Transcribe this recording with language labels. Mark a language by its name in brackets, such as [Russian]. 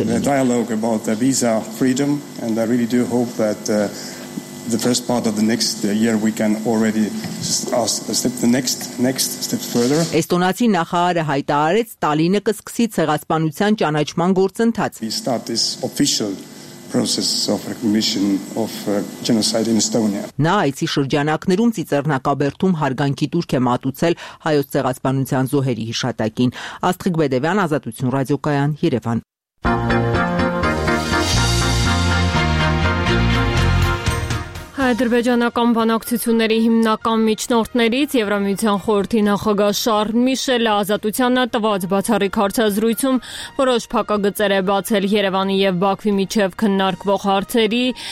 [Armenian] կլինի։ [English] The first part of the next year we can already step the next steps further. [Armenian] Էստոնացի նախարարը հայտարարեց, Տալինը կսկսի ցեղասպանության ճանաչման գործընթաց. [English] We start this official process of recognition of genocide in Estonia. [Armenian] Նա այցի շրջանակներում ծիծեռնակաբերդում հարգանքի տուրք է մատուցել հայոց ցեղասպանության զոհերի հիշատակին։ Աստղիկ Բեդևյան, Ազատություն ռադիոկայան, Երևան։ Ադրբեջանական բանակցությունների հիմնական միջնորդներից Եվրամիության խորհրդի նախագահ Շառլ Միշելը ազատությանը տված բացառիկ հարցազրույցում որոշ փակագծեր է բացել Երևանի և Բաքվի միջև քննարկվող հարցերի,